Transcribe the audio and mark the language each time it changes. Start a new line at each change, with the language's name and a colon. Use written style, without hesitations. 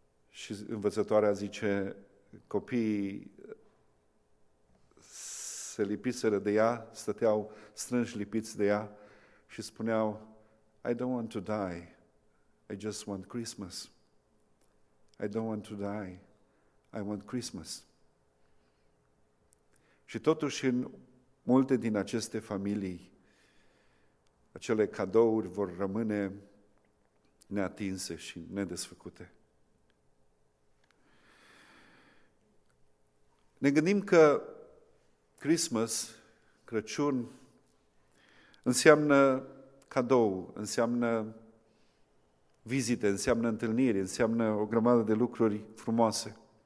Romanian: Și învățătoarea zice, copiii se lipiseră de ea, stăteau strânși lipiți de ea și spuneau,
English: I don't want to die, I just want Christmas. I don't want to die, I want Christmas.
Romanian: Și totuși în multe din aceste familii, acele cadouri vor rămâne neatinse și nedesfăcute. Ne gândim că Christmas, Crăciun, înseamnă cadou, înseamnă vizite, înseamnă întâlniri, înseamnă o grămadă de lucruri frumoase.